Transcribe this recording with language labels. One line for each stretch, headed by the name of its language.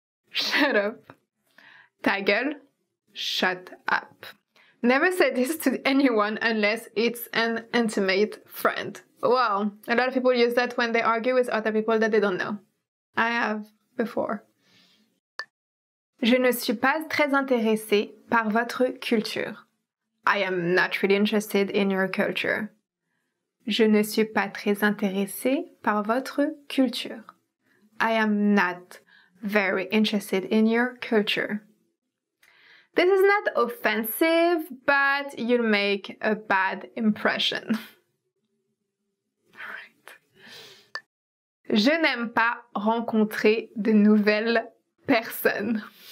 English: Shut up.
French: Ta gueule.
English: Shut up. Never say this to anyone unless it's an intimate friend. Well, a lot of people use that when they argue with other people that they don't know. I have before.
French: Je ne suis pas très intéressée par votre culture.
English: I am not really interested in your culture.
French: Je ne suis pas très intéressée par votre culture.
English: I am not very interested in your culture. This is not offensive, but you'll make a bad impression.
French: Right. Je n'aime pas rencontrer de nouvelles personnes.